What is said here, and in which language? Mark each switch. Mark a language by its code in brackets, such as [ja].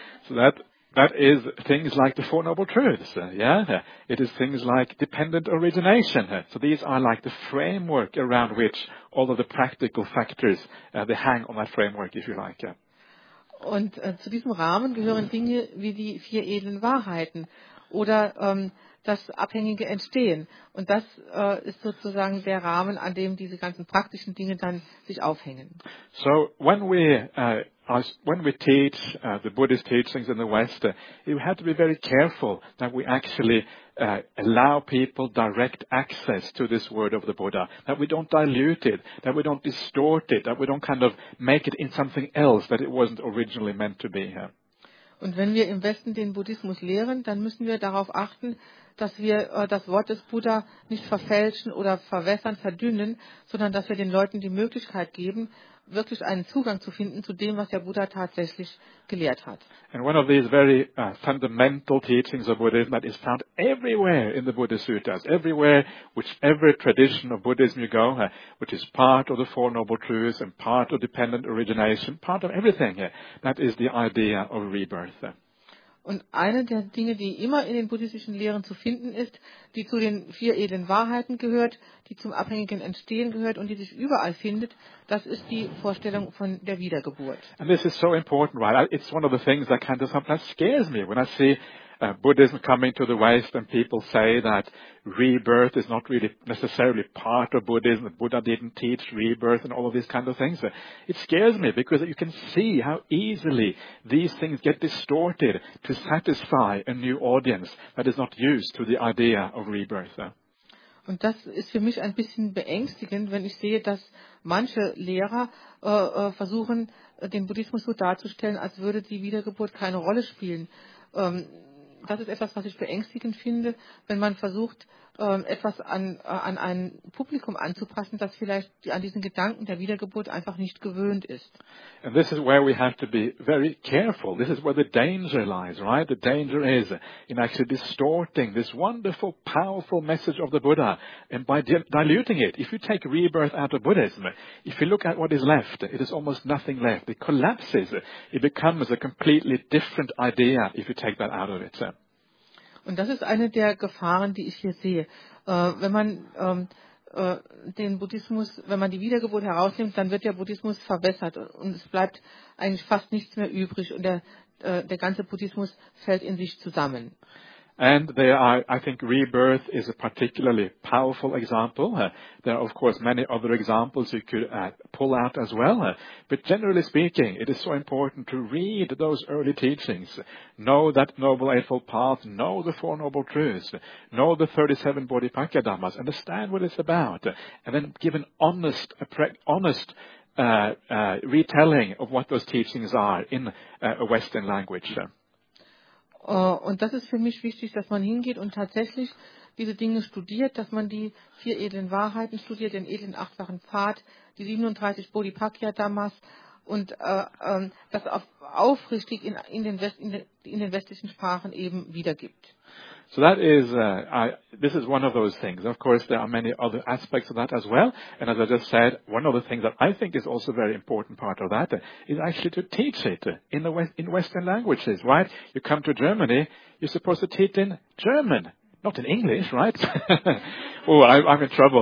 [en] So that is things like the Four Noble Truths. Yeah, it is things like dependent origination. So these are like the framework around which all of the practical factors, they hang on that framework, if you like. Yeah. [de] Und zu diesem Rahmen gehören Dinge wie die vier edlen Wahrheiten oder das abhängige Entstehen. Und das ist sozusagen der Rahmen, an dem diese ganzen praktischen Dinge dann sich aufhängen. [en] So, when we teach the Buddhist teachings in the West, you have to be very careful that we actually allow people direct access to this word of the Buddha, that we don't dilute it, that we don't distort it, that we don't kind of make it in something else that it wasn't originally meant to be. [de] Und wenn wir im Westen den Buddhismus lehren, dann müssen wir darauf achten, dass wir das Wort des Buddha nicht verfälschen oder verwässern, verdünnen, sondern dass wir den Leuten die Möglichkeit geben, wirklich einen Zugang zu finden zu dem, was der Buddha tatsächlich gelehrt hat. [en] And one of these very fundamental teachings of Buddhism that is found everywhere in the Buddhist suttas, everywhere, whichever tradition of Buddhism you go, which is part of the Four Noble Truths and part of dependent origination, part of everything, that is the idea of rebirth. [de] Und eine der Dinge, die immer in den buddhistischen Lehren zu finden ist, die zu den vier edlen Wahrheiten gehört, die zum abhängigen Entstehen gehört und die sich überall findet, das ist die Vorstellung von der Wiedergeburt. [en] And this is so important, right? It's one of the things that kind of sometimes scares me when I see Buddhism coming to the West and people say that rebirth is not really necessarily part of Buddhism, the Buddha didn't teach rebirth and all of these kind of things. It scares me because you can see how easily these things get distorted to satisfy a new audience that is not used to the idea of rebirth. [de] Und das ist für mich ein bisschen beängstigend, wenn ich sehe, dass manche Lehrer versuchen, den Buddhismus so darzustellen, als würde die Wiedergeburt keine Rolle spielen. Das ist etwas, was ich beängstigend finde, wenn man versucht, etwas an ein Publikum anzupassen, das vielleicht an diesen Gedanken der Wiedergeburt einfach nicht gewöhnt ist. [en] And this is where we have to be very careful. This is where the danger lies, right? The danger is in actually distorting this wonderful, powerful message of the Buddha and by diluting it. If you take rebirth out of Buddhism, if you look at what is left, it is almost nothing left. It collapses. It becomes a completely different idea if you take that out of it. [de] Und das ist eine der Gefahren, die ich hier sehe. Wenn man den Buddhismus, wenn man die Wiedergeburt herausnimmt, dann wird der Buddhismus verwässert und es bleibt eigentlich fast nichts mehr übrig und der ganze Buddhismus fällt in sich zusammen. [en] And there are, I think rebirth is a particularly powerful example. There are of course many other examples you could pull out as well. But generally speaking, it is so important to read those early teachings. Know that Noble Eightfold Path, know the Four Noble Truths, know the 37 Bodhipakya Dhammas, understand what it's about, and then give an honest retelling of what those teachings are in a Western language. [de] Und das ist für mich wichtig, dass man hingeht und tatsächlich diese Dinge studiert, dass man die vier edlen Wahrheiten studiert, den edlen achtfachen Pfad, die 37 Bodhipakya-Dhammas und das aufrichtig in den westlichen Sprachen eben wiedergibt. [en] So that is, this is one of those things. Of course, there are many other aspects of that as well. And as I just said, one of the things that I think is also a very important part of that is actually to teach it in Western languages, right? You come to Germany, you're supposed to teach in German, not in English, right? Oh, I'm in trouble.